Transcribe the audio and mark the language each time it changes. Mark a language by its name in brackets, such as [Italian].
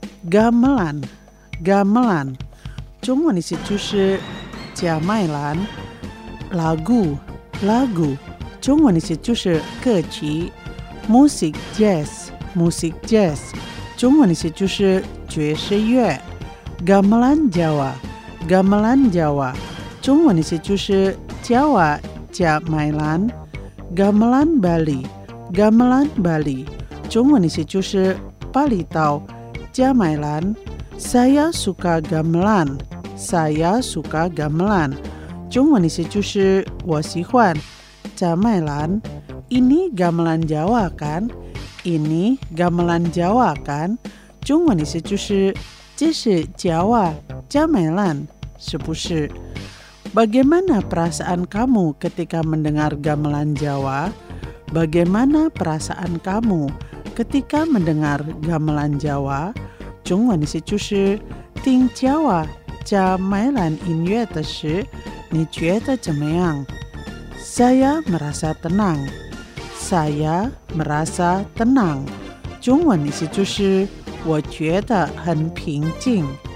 [Chinese] Gamelan， gamelan， 中文意思就是贾麦兰。 Lagu， lagu， 中文意思就是歌曲。 Music jazz， music jazz， 中文意思就是爵士乐。 Gamelan Jawa， gamelan Jawa， 中文意思就是 Jawa 贾麦兰。 Gamelan Bali， gamelan Bali， 中文意思就是巴厘岛贾麦兰。 [Indonesian] Saya suka gamelan， saya suka gamelan。 [Chinese] 中文意思就是我喜欢 [Indonesian] Camailan, ini gamelan Jawa kan? Ini gamelan Jawa kan? [Chinese] 中文意思就是, 这是Jawa, 加美兰, 是不是? [Indonesian] Bagaimana perasaan kamu ketika mendengar gamelan Jawa? Bagaimana perasaan kamu ketika mendengar gamelan Jawa? [Chinese] 中文意思就是, 听Jawa, 加美兰音乐的时, 你觉得怎么样? [Indonesian] Saya merasa tenang. Saya merasa tenang. [Chinese] 中文意思就是, 我觉得很平静.